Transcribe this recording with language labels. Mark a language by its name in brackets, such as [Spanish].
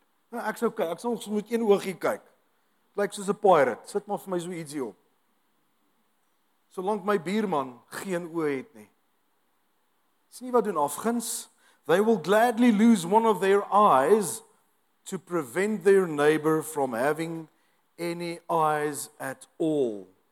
[Afrikaans] Nou, ek sê okay, ek sal ons moet een oogie kyk. Lyk soos 'n pirate, sit maar vir my so ietsie op. Solank my buurman geen oë het nie. Sien jy wat doen afguns? [English] They will gladly lose one of their eyes to prevent their neighbor from having any eyes at all.